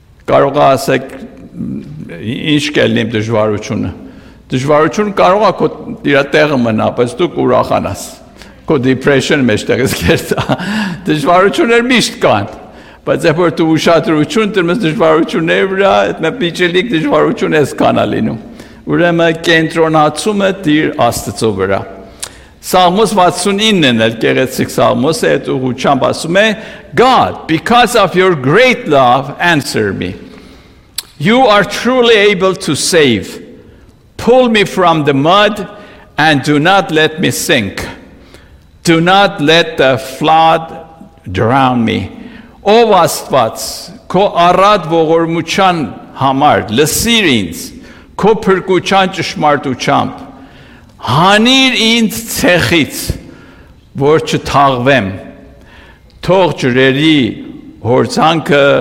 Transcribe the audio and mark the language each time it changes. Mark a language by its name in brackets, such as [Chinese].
[Armenian] կարող ա ասեք ինչ կելնի դժվարությունը, դժվարությունը կարող ա քո իր տեղը մնա, բայց դու ուրախանաս, քո depression-ը մեջտեղից կերտա, դժվարություններ միշտ կան, բայց երբ որ դու ուշադրություն դրմես դժվարությունների վրա, այդ մի պիճելիկ դժվարություն ես կանա լինում, ուրեմն կենտրոնացումը դիր Աստծո վրա. Սաղմոս 69-ն էլ կեղեցիկ Սաղմոսը այդ ուղղությամբ ասում է, [English] God, because of your great love, answer me. You are truly able to save. Pull me from the mud and do not let me sink. Do not let the flood drown me. [Armenian] Ով Աստված, քո առատ ողորմության համար, լսիր ինձ, քո փրկության ճշմարտությամբ, հանիր ինձ ցեղից, որ չթաղվեմ, թող ջրերի հորձանքը